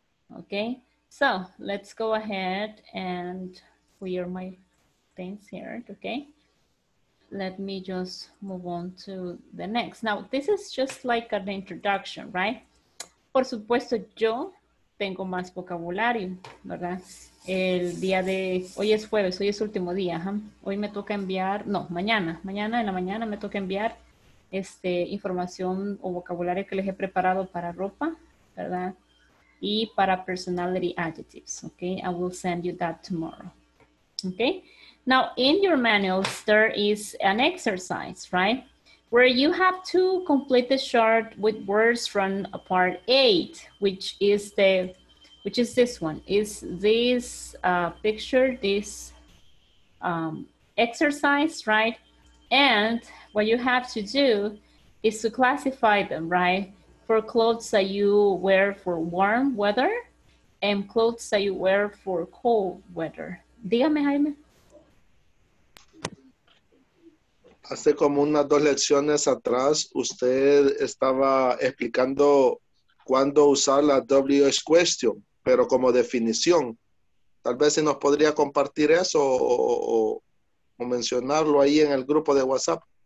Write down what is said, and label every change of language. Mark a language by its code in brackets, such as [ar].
[en] Okay, so let's go ahead and clear my things here, okay? Let me just move on to the next. Now, this is just like an introduction, right? [es] Por supuesto, yo tengo más vocabulario, ¿verdad? El día de hoy es jueves, hoy es último día. ¿Eh? Hoy me toca enviar, no, mañana en la mañana me toca enviar información o vocabulario que les he preparado para ropa, ¿verdad? Y para [en] personality adjectives, ¿ok? I will send you that tomorrow, ¿ok? Now, in your manuals, there is an exercise, right? Where you have to complete the chart with words from part eight, which is this one. Is this picture, this exercise, right? And what you have to do is to classify them, right? For clothes that you wear for warm weather and clothes that you wear for cold weather. [es] Dígame, Jaime. Hace como unas dos lecciones atrás, usted estaba explicando cuándo usar la WH question, pero como definición. Tal vez si nos podría compartir eso o mencionarlo ahí en el grupo de WhatsApp.